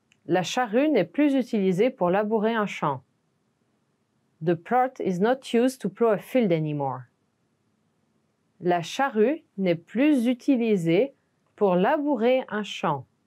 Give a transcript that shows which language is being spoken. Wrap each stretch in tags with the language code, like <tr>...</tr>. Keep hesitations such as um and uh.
<fr>La charrue n'est plus utilisée pour labourer un champ.</fr> <en>The plot is not used to plow a field anymore.</en> <fr>La charrue n'est plus utilisée pour labourer un champ.</fr>